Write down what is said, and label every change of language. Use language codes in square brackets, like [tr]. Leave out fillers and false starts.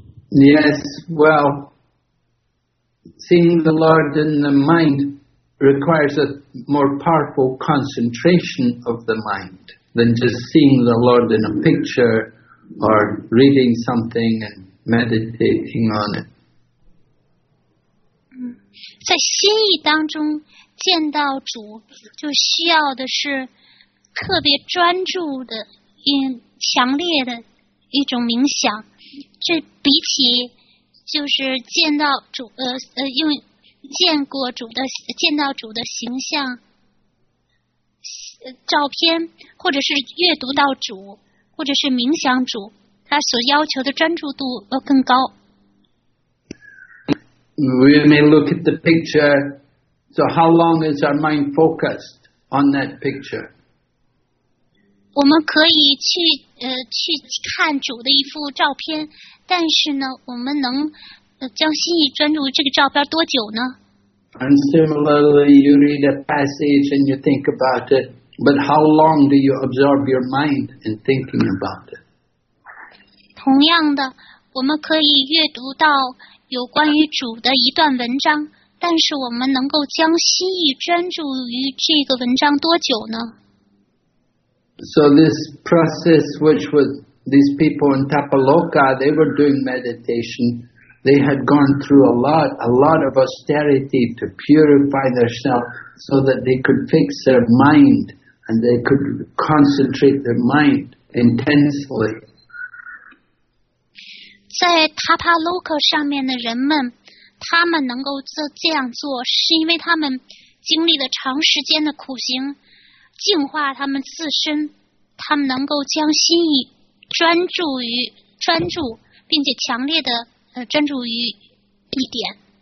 [en] Yes, well, seeing the Lord in the mind requires a more powerful concentration of the mind than just seeing the Lord in a picture or reading something and meditating on it. [zh] 在心意当中见到主，就需要的是特别专注的、强烈的一种冥想。这比起就是见到主，用。见过主的，见到主的形象、照片，或者是阅读到主，或者是冥想主，他所要求的专注度更高。 [en] We may look at the picture. So how long is our mind focused on that picture? [zh] 我们可以去看主的一幅照片，但是呢，我们能将心意专注这个照片多久呢？ [en] And similarly, you read a passage and you think about it, but how long do you absorb your mind in thinking about it? [zh] 同样的，我们可以阅读到有关于主的一段文章，但是我们能够将心意专注于这个文章多久呢？ [en] So this process which was these people in Tapaloka, they were doing meditation. They had gone through a lot of austerity to purify themselves so that they could fix their mind and they could concentrate their mind intensely. [zh] 在塔帕洛克上面的人们，他们能够这样做，是因为他们经历了长时间的苦行，净化他们自身，他们能够将心意专注，并且强烈的专注于一点。